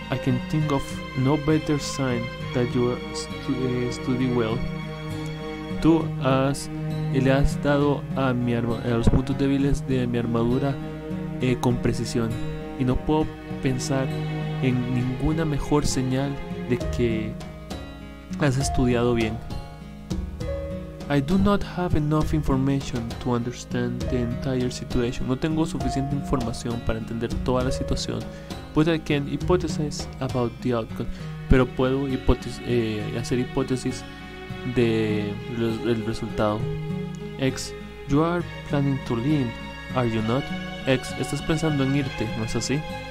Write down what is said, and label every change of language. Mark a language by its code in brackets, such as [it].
[en] I can think of no better sign that you study well. [es] Tú le has dado a los puntos débiles de mi armadura con precisión. Y no puedo pensar en ninguna mejor señal de que has estudiado bien. [en] I do not have enough information to understand the entire situation. [es] No tengo suficiente información para entender toda la situación. [en] But I can hypothesize about the outcome. [es] Pero puedo hacer hipótesis de el resultado. [en] X, you are planning to leave, are you not? [es] X, estás pensando en irte, ¿no es así?